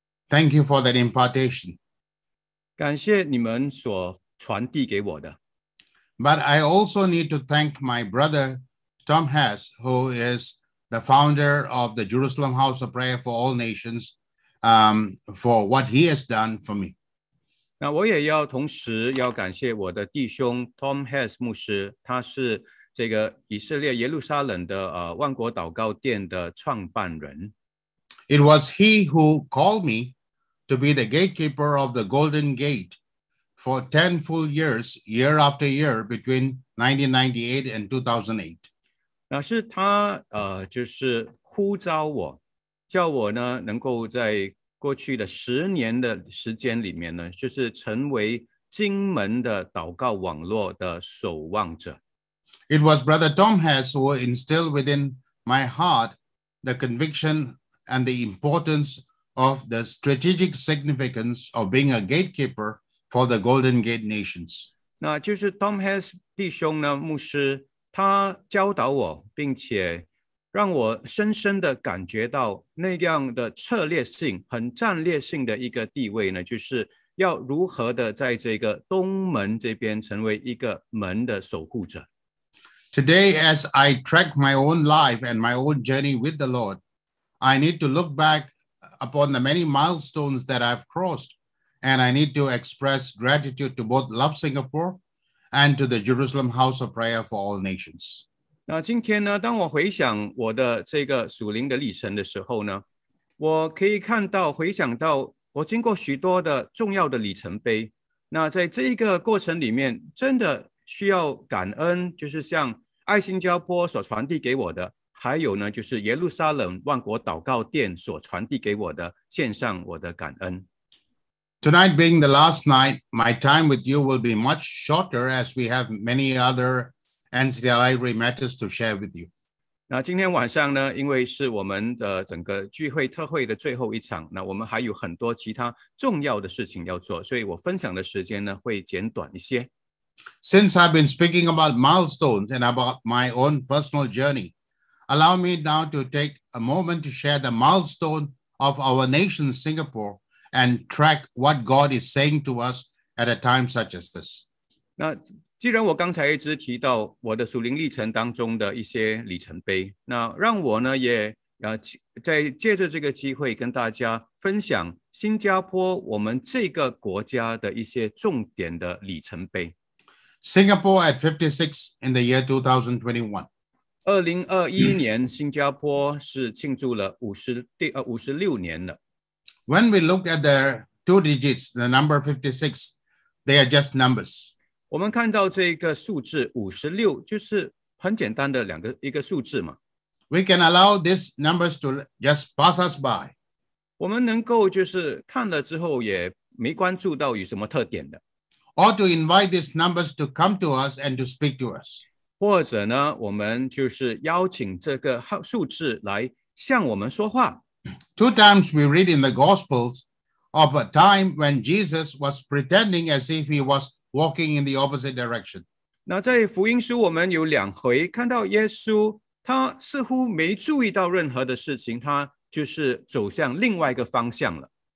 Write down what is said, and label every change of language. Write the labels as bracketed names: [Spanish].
[English] Thank you for that impartation. [Chinese] 感谢你们所传递给我的。 [English] But I also need to thank my brother Tom Hass, who is the founder of the Jerusalem House of Prayer for All Nations. For what he has done for me. [Chinese] 那我也要同时要感谢我的弟兄 Tom Hess 牧师，他是这个以色列耶路撒冷的万国祷告殿的创办人。 [English] It was he who called me to be the gatekeeper of the Golden Gate for 10 full years, year after year, between 1998 and 2008. [Chinese] 那是他就是呼召我叫我呢，能够在过去的十年的时间里面呢，就是成为金门的祷告网络的守望者。 [English] It was Brother Tom Hess who instilled within my heart the conviction and the importance of the strategic significance of being a gatekeeper for the Golden Gate Nations. [Chinese] 那就是 Tom Hess 弟兄呢，牧师，他教导我，并且让我深深的感觉到那样的策略性很战略性的一个地位呢就是要如何的在这个东门这边成为一个门的守护者 [English] Today as I track my own life and my own journey with the Lord I need to look back upon the many milestones that I've crossed and I need to express gratitude to both Love Singapore and to the Jerusalem House of Prayer for All Nations [Chinese] 那今天呢，当我回想我的这个属灵的历程的时候呢，我可以看到，回想到我经过许多的重要的里程碑。那在这一个过程里面，真的需要感恩，就是像爱新加坡所传递给我的，还有呢，就是耶路撒冷万国祷告殿所传递给我的，献上我的感恩。 [English] Tonight being the last night, my time with you will be much shorter as we have many other. NCLI matters to share with you. [Chinese] 那今天晚上呢，因为是我们的整个聚会特会的最后一场，那我们还有很多其他重要的事情要做，所以我分享的时间呢会简短一些。 [English] Since I've been speaking about milestones and about my own personal journey, allow me now to take a moment to share the milestone of our nation, Singapore, and track what God is saying to us at a time such as this. [Chinese] 那既然我刚才一直提到我的属灵历程当中的一些里程碑，那让我呢也再借着这个机会跟大家分享新加坡我们这个国家的一些重点的里程碑。 [English] Singapore at 56 in the year 2021. [Chinese] 2021年新加坡是庆祝了56年了。 [English] When we look at the two digits, the number 56, they are just numbers. [Chinese] 我们看到这个数字56就是很简单的两个一个数字嘛。 [English] We can allow these numbers to just pass us by. [Chinese] 我们能够就是看了之后也没关注到有什么特点的。 [English] Or to invite these numbers to come to us and to speak to us. [Chinese] 或者呢我们就是邀请这个数字来向我们说话。 [English] Two times we read in the Gospels of a time when Jesus was pretending as if he was walking in the opposite direction. [Chinese] 那在福音书我们有两回看到耶稣他似乎没注意到任何的事情他就是走向另外一个方向了。